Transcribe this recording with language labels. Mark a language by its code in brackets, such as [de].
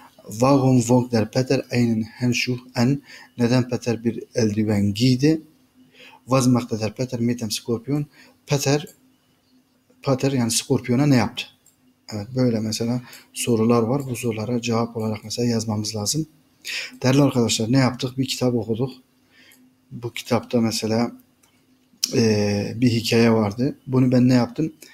[de] Warum wog der Peter einen Handschuh an? [tr] Neden Peter bir eldiven giydi? [de] Was macht der Peter mit dem Skorpion? [tr] Peter yani Skorpion'a ne yaptı? Evet, böyle mesela sorular var. Bu sorulara cevap olarak mesela yazmamız lazım. Değerli arkadaşlar, ne yaptık? Bir kitap okuduk. Bu kitapta mesela bir hikaye vardı. Bunu ben ne yaptım?